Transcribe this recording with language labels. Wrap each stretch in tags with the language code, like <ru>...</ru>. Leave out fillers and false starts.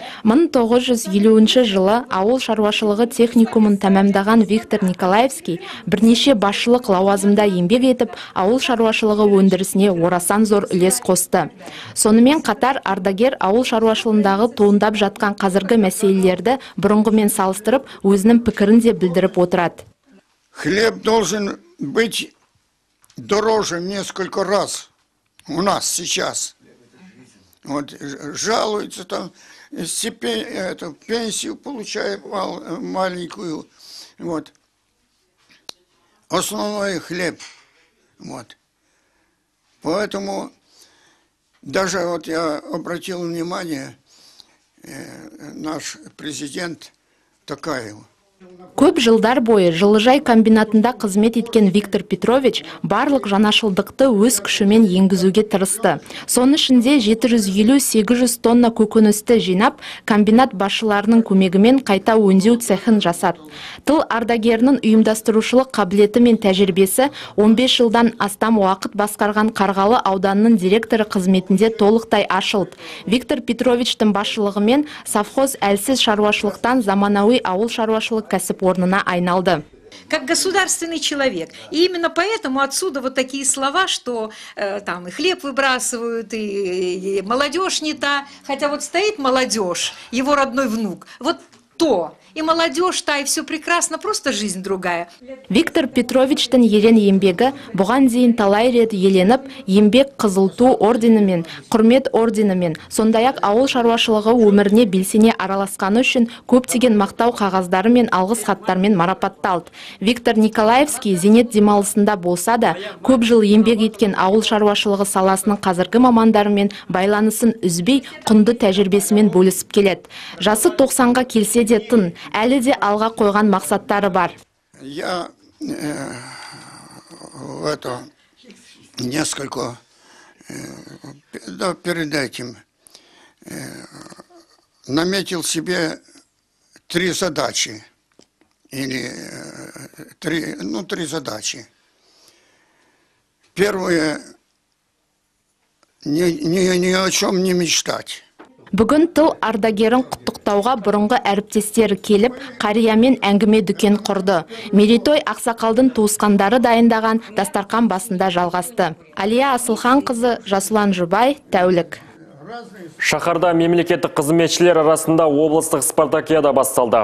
<kk>1950 жылы ауыл шаруашылығы техникумын тәмамдаған Виктор Николаевский бірнеше басшылық лауазымда еңбек етіп, ауыл шаруашылығы өндірісіне орасан зор үлес қосты. Сонымен қатар ардагер ауыл шаруашылығындағы туындап жатқан қазіргі мәселелерді бұрынғымен салыстырып, өзінің пікірін де білдіріп отырады.</kk> <ru>Хлеб должен быть дороже несколько раз у нас сейчас. Вот жалуются там, пенсию получаем маленькую. Вот. Основной хлеб. Вот. Поэтому даже вот я обратил внимание, наш президент Токаев.</ru> <kk>Көп жылдар бойы жылыжай комбинатында қызмет еткен Виктор Петрович барлық жанашылдықты өз күшімен енгізуге тырысты. Соның ішінде 750-800 тонна көкөністі жинап, комбинат басшыларының көмегімен қайта өңдеу цехын жасады. Тыл ардагерінің ұйымдастырушылық қабілеті мен тәжірибесі 15 жылдан астам уақыт басқарған Қарғалы ауданының директоры қызметінде толықтай ашылды. Виктор Петровичтің басшылығымен совхоз әлсіз шаруашылықтан заманауи ауыл шаруашылығы кәсіп орнына айналды.</kk> <ru>Как государственный человек. И именно поэтому отсюда вот такие слова, что там и хлеб выбрасывают, и молодежь не та. Хотя вот стоит молодежь, его родной внук. Вот то. И молодежь та, и все прекрасно, просто жизнь другая.</ru> <kk>Виктор Петровичтің ерен еңбегі бұған дейін талай рет еленіп, еңбек қызыл ту орденімен, құрмет орденімен, сондай-ақ ауыл шаруашылығы өміріне белсене араласқаны үшін көптеген мақтау қағаздары мен алғыс хаттармен марапатталды. Виктор Николаевский зенет демалысында болса да, көп жыл еңбек еткен ауыл шаруашылығы саласының қазіргі мамандарымен байланысын үзбей, құнды тәжірибесімен бөлісіп келеді. Жасы 90-ға келсе де тын, әлі де алға қойған мақсаттары бар.</kk> <ru>Я в это несколько да, перед этим наметил себе три задачи. Или три, ну, три задачи. Первое, ни о чем не мечтать.</ru> <kk>Бүгін тыл ардагерін құттықтауға бұрынғы әріптестері келіп, қариямен әңгіме дүкен құрды. Мерейтой ақсақалдың туысқандары дайындаған дастарқан басында жалғасты. Алия Асылхан қызы, Жасұлан Жұбай, Тәулік. Шахарда мемлекеттік қызметшілер арасында облыстық спартакиада басталды.</kk>